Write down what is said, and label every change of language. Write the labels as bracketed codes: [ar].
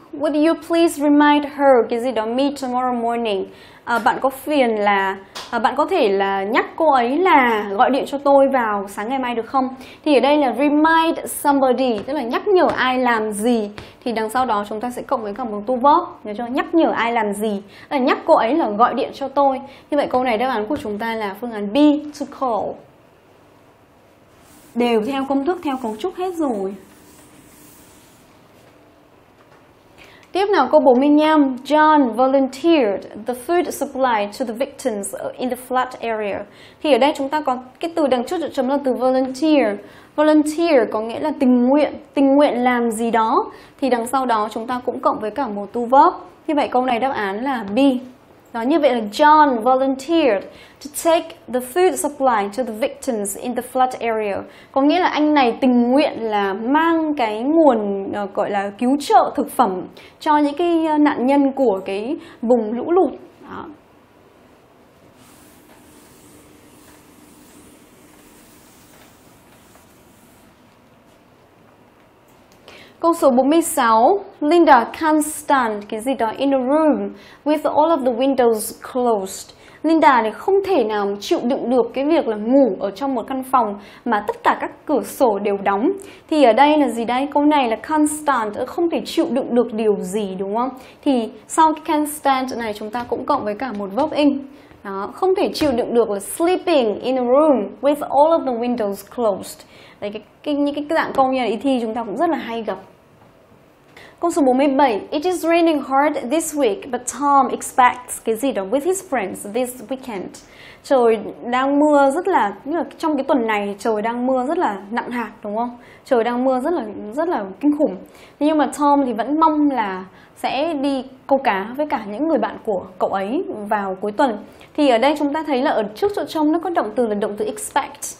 [en] Would you please remind her, [vi] cái gì đó, [en] me tomorrow morning. [vi] Bạn có phiền là, bạn có thể là nhắc cô ấy là gọi điện cho tôi vào sáng ngày mai được không? Thì ở đây là remind somebody, tức là nhắc nhở ai làm gì. Thì đằng sau đó chúng ta sẽ cộng với cả một to verb, nhớ chưa? Nhắc nhở ai làm gì, là nhắc cô ấy là gọi điện cho tôi. Như vậy câu này đáp án của chúng ta là phương án B, to call. Đều theo công thức, theo cấu trúc hết rồi. Tiếp nào câu 45. [en] John volunteered the food supply to the victims in the flood area. [vi] Thì ở đây chúng ta có cái từ đằng trước chấm là từ volunteer. Volunteer có nghĩa là tình nguyện làm gì đó. Thì đằng sau đó chúng ta cũng cộng với cả một to verb. Như vậy câu này đáp án là B. Đó, như vậy là [en] John volunteered to take the food supply to the victims in the flood area. [vi] Có nghĩa là anh này tình nguyện là mang cái nguồn gọi là cứu trợ thực phẩm cho những cái nạn nhân của cái vùng lũ lụt. Đó. Câu số 46, [en] Linda can't stand, [vi] cái gì đó, [en] in a room with all of the windows closed. [vi] Linda thì không thể nào chịu đựng được cái việc là ngủ ở trong một căn phòng mà tất cả các cửa sổ đều đóng. Thì ở đây là gì đây? Câu này là can't stand, không thể chịu đựng được điều gì, đúng không? Thì sau cái can't stand này chúng ta cũng cộng với cả một verb ing. Đó, không thể chịu đựng được là [en] sleeping in a room with all of the windows closed. [vi] Đấy, những cái dạng câu như là ý thi chúng ta cũng rất là hay gặp. Câu số 47. [en] It is raining hard this week, but Tom expects [vi] cái gì đó [en] with his friends this weekend. [vi] Trời đang mưa rất là, như là trong cái tuần này trời đang mưa rất là nặng hạt, đúng không? Trời đang mưa rất là kinh khủng. Nhưng mà Tom thì vẫn mong là sẽ đi câu cá với cả những người bạn của cậu ấy vào cuối tuần. Thì ở đây chúng ta thấy là ở trước chỗ trông nó có động từ là động từ expect.